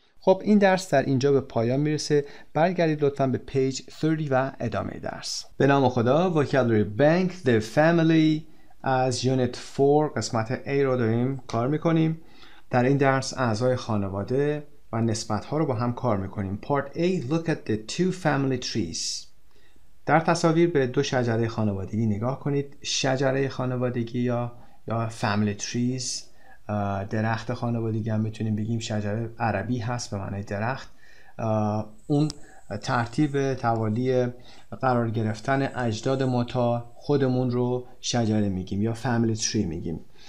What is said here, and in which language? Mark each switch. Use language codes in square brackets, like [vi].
[fa] خب این درس در اینجا به پایان میرسه. برگردید لطفاً به پیج 30 و ادامه درس. به نام خدا. Vocabulary Bank The Family از یونیت 4 قسمت A رو داریم کار میکنیم. در این درس اعضای خانواده و نسبت‌ها رو با هم کار میکنیم. [en] Part A Look at the two family trees. [fa] در تصاویر به دو شجره خانوادگی نگاه کنید. شجره خانوادگی یا family trees، درخت خانوادگی هم میتونیم بگیم، شجره عربی هست به معنی درخت. اون ترتیب توالی قرار گرفتن اجداد ما تا خودمون رو شجره میگیم یا family tree میگیم.